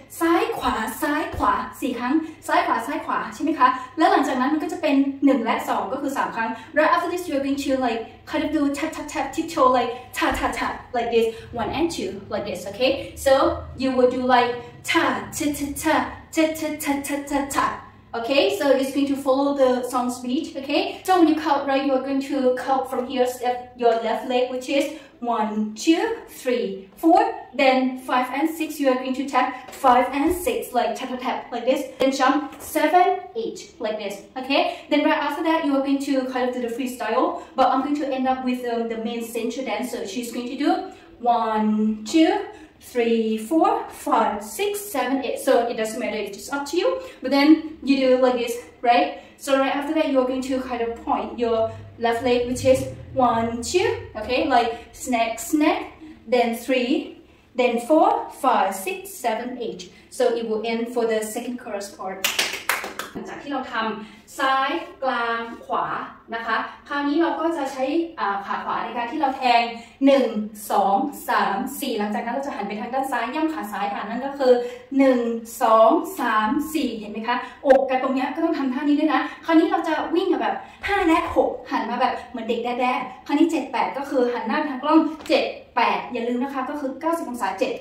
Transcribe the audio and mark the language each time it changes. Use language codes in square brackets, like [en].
[th] ซ้ายขวาซ้ายขวา4ครั้งซ้ายขวาซ้ายขวาใช่ไหมคะแล้วหลังจากนั้นมันก็จะเป็น1และ2ก็คือ3ครั้ง [en] right after this you're going to like kind of do tap tap tap tiptoe like ta ta ta like this one and two like this okay so you will do like ta ta ta ta ta ta ta taOkay, so it's going to follow the song's beat, okay? So when you count, right, you're going to count from here, step your left leg, which is 1, 2, 3, 4, then 5 and 6, you are going to tap 5 and 6, like tap tap tap, like this, then jump 7, 8, like this, okay? Then right after that, you are going to kind of do the freestyle, but I'm going to end up with the main center dancer. She's going to do 1, 2, 3, 4, 5, 6, 7, 8, so it doesn't matter, it's just up to you, but then,You do like this, right? So right after that, you're going to kind of point your left leg, which is 1, 2, okay? Like snack, snack, then 3, then 4, 5, 6, 7, 8. So it will end for the second chorus part. [th] จากที่เราทำซ้ายกลางขวานะคะคราวนี้เราก็จะใช้ขาขวาในการที่เราแทง1 2 3 4หลังจากนั้นเราจะหันไปทางด้านซ้ายย่ำขาซ้ายค่ะนั่นก็คือ1 2 3 4เห็นไหมคะอกกันตรงนี้ก็ต้องทำท่านี้ด้วยนะคราวนี้เราจะวิ่งแบบ5และ6หันมาแบบเหมือนเด็กแด้แด้คราวนี้7 8ก็คือหันหน้าทางกล้อง7 8อย่าลืมนะคะก็คือ90องศา7